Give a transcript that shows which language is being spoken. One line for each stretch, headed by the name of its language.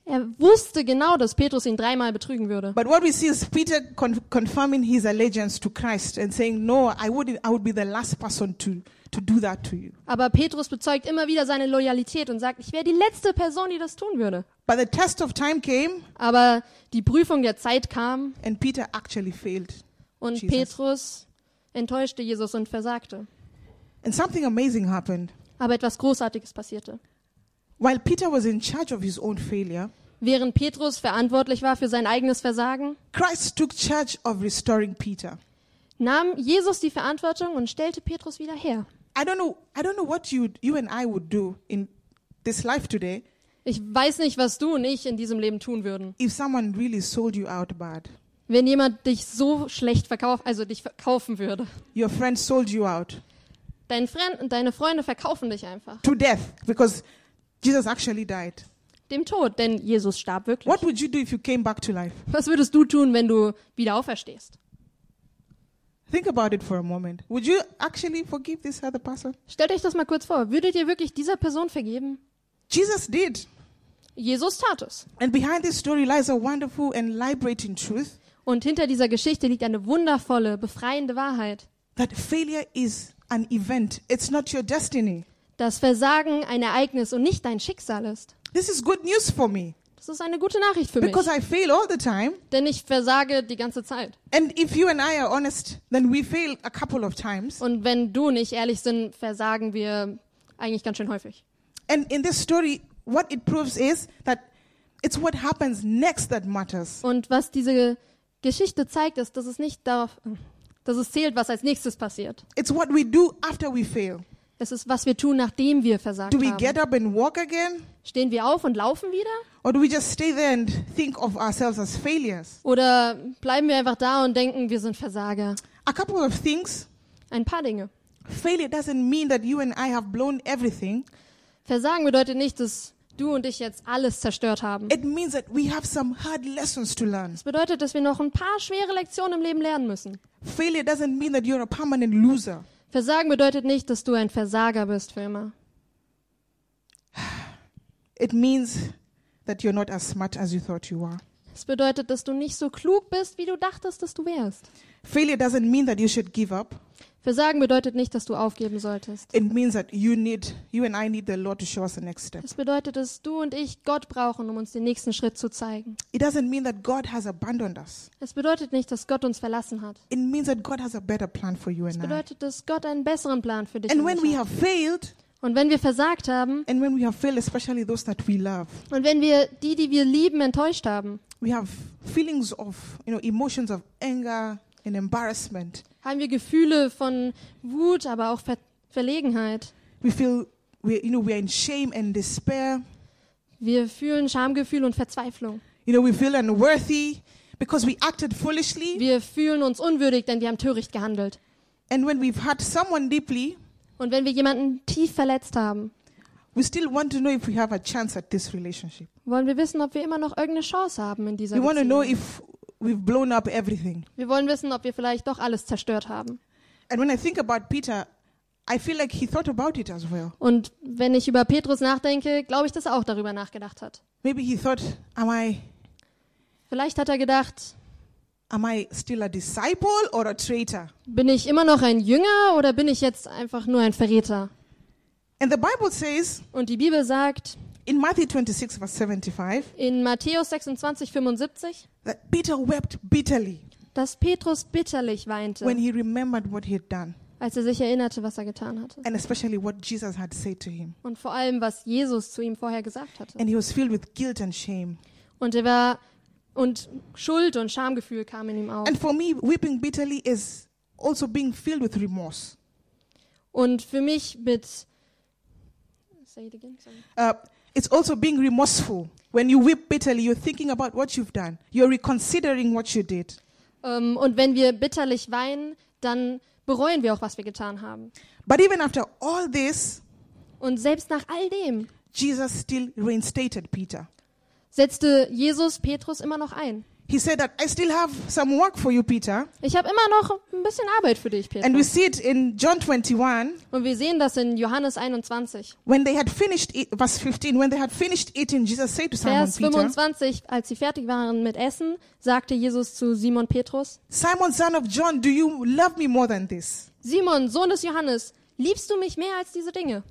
German: Er wusste genau, dass Petrus ihn dreimal betrügen würde.
English: But what we see is Peter confirming his allegiance to Christ and saying, "No, I would be the last person to do that to you."
German: Aber Petrus bezeugt immer wieder seine Loyalität und sagt, ich wäre die letzte Person, die das tun würde.
English: But the test of time came.
German: Aber die Prüfung der Zeit kam.
English: And Peter actually failed.
German: Und Jesus. Petrus enttäuschte Jesus und versagte.
English: And something amazing happened.
German: Aber etwas Großartiges passierte.
English: While Peter was in charge of his own failure,
German: während Petrus verantwortlich war für sein eigenes Versagen,
English: Christ took charge of restoring Peter.
German: Nahm Jesus die Verantwortung und stellte Petrus wieder her.
English: I don't know what you and I would do in this life today.
German: Ich weiß nicht, was du und ich in diesem Leben tun würden.
English: If someone really sold you out bad.
German: Wenn jemand dich so schlecht verkaufen würde.
English: Your friend sold you out.
German: Deine Freunde verkaufen dich einfach.
English: To death, because Jesus actually died.
German: Dem Tod, denn Jesus starb wirklich.
English: What would you do if you came back to life?
German: Was würdest du tun, wenn du wieder auferstehst?
English: Think about it for a moment. Would you actually forgive this other person?
German: Stellt euch das mal kurz vor. Würdet ihr wirklich dieser Person vergeben?
English: Jesus did.
German: Jesus tat es.
English: And behind this story lies a wonderful and liberating truth.
German: Und hinter dieser Geschichte liegt eine wundervolle, befreiende Wahrheit.
English: That failure is an event. It's not your destiny.
German: Dass Versagen ein Ereignis und nicht dein Schicksal ist.
English: This is good news for me.
German: Das ist eine gute Nachricht für
English: Because
German: mich.
English: I fail all the time.
German: Denn ich versage die ganze Zeit.
English: And if you and I are honest, then we fail a couple of times.
German: Und wenn du nicht ehrlich sind, versagen wir eigentlich ganz schön häufig.
English: And in this story, what it proves is that it's what happens next that matters.
German: Und was diese Geschichte zeigt, ist, dass es nicht darauf, dass es zählt, was als nächstes passiert.
English: It's what we do after we fail.
German: Es ist, was wir tun, nachdem wir versagt haben.
English: Do we get up and walk again?
German: Stehen wir auf und laufen wieder?
English: Or do we just stay there and think of ourselves as failures?
German: Oder bleiben wir einfach da und denken, wir sind Versager?
English: A couple of things.
German: Ein paar Dinge.
English: Failure doesn't mean that you and I have blown everything.
German: Versagen bedeutet nicht, dass du und ich jetzt alles zerstört haben.
English: It means that we have some hard lessons to learn.
German: Es bedeutet, dass wir noch ein paar schwere Lektionen im Leben lernen müssen.
English: Failure doesn't mean that you're a permanent loser.
German: Versagen bedeutet nicht, dass du ein Versager bist für immer.
English: It means that you're not as smart as you thought you were.
German: Es bedeutet, dass du nicht so klug bist, wie du dachtest, dass du wärst.
English: Failure doesn't mean that you should give up.
German: Versagen bedeutet nicht, dass du aufgeben solltest.
English: It means that you and I need the Lord to show us the next step.
German: Es bedeutet, dass du und ich Gott brauchen, um uns den nächsten Schritt zu zeigen.
English: It doesn't mean that God has abandoned us.
German: Es bedeutet nicht, dass Gott uns verlassen hat.
English: It means that God has a better plan for you and I.
German: Es bedeutet, dass Gott einen besseren Plan für dich
English: and
German: und
English: when
German: mich
English: we
German: hat.
English: Have failed,
German: und wenn wir versagt haben,
English: and when we have failed, especially those that we love,
German: und wenn wir die wir lieben, enttäuscht haben,
English: we have feelings of, you know, emotions of anger and embarrassment.
German: Haben wir Gefühle von Wut, aber auch Verlegenheit.
English: We feel we, you know, we are in shame and despair.
German: Wir fühlen Schamgefühl und Verzweiflung.
English: You know, we feel unworthy because we acted foolishly.
German: Wir fühlen uns unwürdig, denn wir haben töricht gehandelt.
English: And when we've hurt someone deeply,
German: und wenn wir jemanden tief verletzt haben,
English: we still want to know if we have a chance at this relationship.
German: Wollen wir wissen, ob wir immer noch irgendeine Chance haben in dieser
English: we
German: Beziehung.
English: We want to know if we've blown up everything.
German: Wir wollen wissen, ob wir vielleicht doch alles zerstört haben.
English: And when I think about Peter, I feel like he thought about it as well.
German: Und wenn ich über Petrus nachdenke, glaube ich, dass er auch darüber nachgedacht hat.
English: Maybe he thought, am I?
German: Vielleicht hat er gedacht,
English: am I still a disciple or a traitor?
German: Bin ich immer noch ein Jünger oder bin ich jetzt einfach nur ein Verräter?
English: And the Bible says.
German: Und die Bibel sagt.
English: In Matthew 26, verse 75.
German: In Matthäus 26, 75.
English: That Peter wept bitterly.
German: Dass Petrus bitterlich weinte.
English: When he remembered what he had done.
German: Als er sich erinnerte, was er getan hatte.
English: And especially what Jesus had said to him.
German: Und vor allem, was Jesus zu ihm vorher gesagt hatte.
English: And he was filled with guilt and shame.
German: Und er war und Schuld und Schamgefühl kamen in ihm auf.
English: And for me, weeping bitterly is also being filled with remorse.
German: Und für mich mit
English: say it again. It's also being remorseful. When you weep bitterly, you're thinking about what you've done. You're reconsidering what you did.
German: Und wenn wir bitterlich weinen, dann bereuen wir auch, was wir getan haben.
English: But even after all this,
German: und selbst nach all dem,
English: Jesus still reinstated Peter.
German: Setzte Jesus Petrus immer noch ein.
English: He said that I still have some work for you, Peter.
German: Ich habe immer noch ein bisschen Arbeit für dich, Petrus.
English: And we see it in John 21.
German: Und wir sehen das in Johannes 21.
English: When they had finished verse 15, when they had finished eating, Jesus said to Simon Peter.
German: Vers 25, als sie fertig waren mit Essen, sagte Jesus zu Simon Petrus.
English: Simon, son of John, do you love me more than this?
German: Simon, Sohn des Johannes, liebst du mich mehr als diese Dinge?